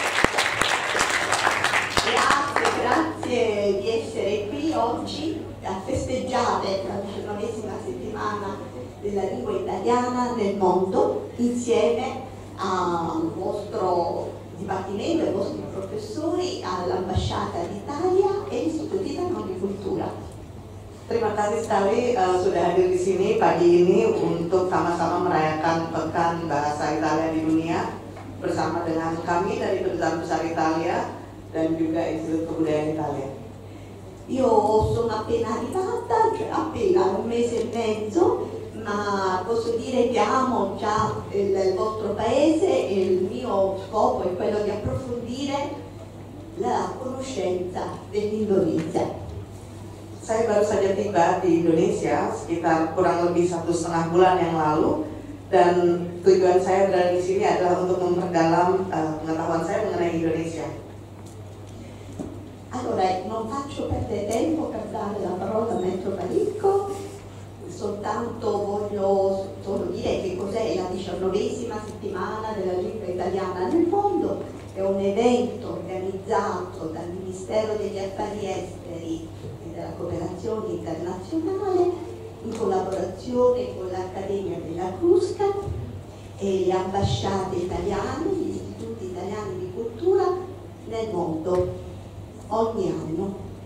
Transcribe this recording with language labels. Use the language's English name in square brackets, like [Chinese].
[Italian] Grazie, grazie di essere qui oggi a festeggiare la 19ª settimana della lingua italiana nel mondo insieme al vostro dibattimento, ai vostri professori, all'Ambasciata d'Italia e all'Istituto Italiano di Cultura. [Indonesian] Terima kasih sekali sudah hadir di sini pagi ini untuk sama-sama merayakan Pekan Bahasa Italia di Dunia bersama dengan kami dari Kedutaan Besar Italia dan juga Institut Kebudayaan Italia. [Italian] Io sono appena arrivata, cioè appena un mese e mezzo, ma posso dire che amo già il vostro paese e il mio scopo è quello di approfondire la conoscenza dell'Indonesia. [Indonesian] Saya baru saja tiba di Indonesia sekitar kurang lebih 1,5 bulan yang lalu dan tujuan saya berada di sini adalah untuk memperdalam pengetahuan saya mengenai Indonesia. [Italian] Allora, non faccio perdere tempo per dare la parola a Maestro Panicco. Soltanto voglio solo dire che cos'è la 19ª settimana della lingua italiana nel mondo. È un evento organizzato dal Ministero degli Affari Esteri e della Cooperazione Internazionale in collaborazione con l'Accademia della Crusca e le ambasciate italiane, gli istituti italiani di cultura nel mondo ogni anno.